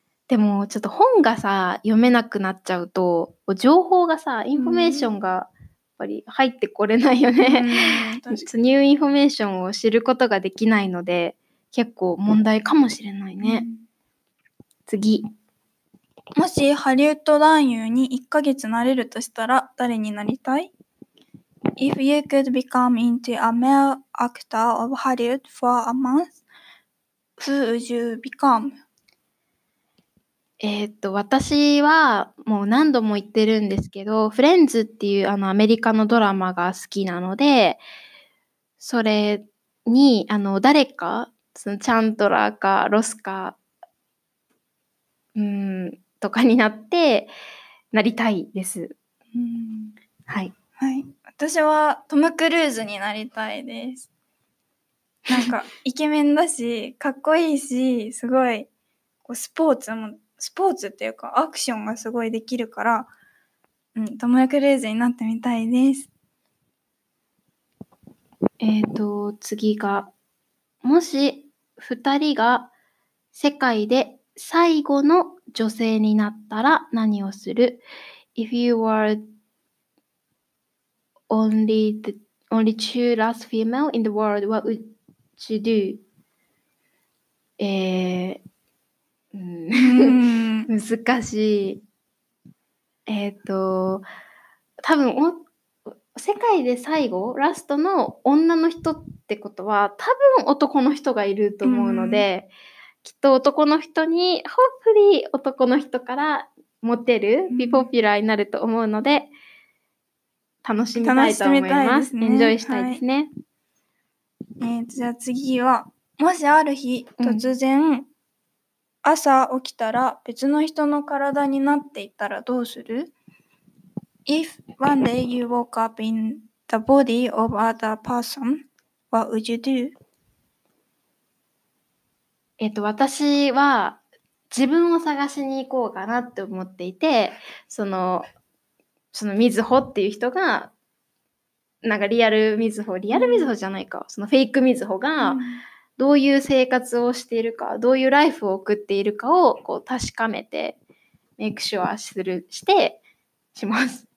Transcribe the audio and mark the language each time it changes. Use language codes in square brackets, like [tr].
[ja] でもちょっと本がさ、読めなくなっちゃうと、情報がさ、インフォメーションがやっぱり入ってこれないよね。ニューインフォメーションを知ることができないので、結構問題かもしれないね。次。もしハリウッド男優に1ヶ月なれるとしたら誰になりたい？ [en] If you could become into a male actor of Hollywood for a month, who would you become? [ja] 私はもう何度も言ってるんですけど、フレンズっていうあのアメリカのドラマが好きなので、それにあの誰か、そのチャンドラーかロスか、とかになってなりたいです。はい。はい。私はトム・クルーズになりたいです。なんかイケメンだし、かっこいいし、すごいこうスポーツっていうかアクションがすごいできるから、トム・クルーズになってみたいです。次が、もし二人が世界で最後の女性になったら何をする？ [en] If you were... Only two last female in the world, what would you do? [ja] 難しい。多分世界で最後、ラストの女の人ってことは、多分男の人がいると思うので、きっと男の人に、 [en] hopefully [ja] 男の人からモテる、 [en] be popular [ja] になると思うので、楽しみたいと思います。エンジョイしたいですね。はい、じゃあ次は、もしある日、突然、朝起きたら別の人の体になっていたらどうする？ [en] If one day you woke up in the body of other person, what would you do? [ja] 私は自分を探しに行こうかなって思っていて、そのみずほっていう人が、なんかリアルみずほじゃないか、そのフェイクみずほがどういう生活をしているか、どういうライフを送っているかをこう確かめて、メイクシュアするしてします。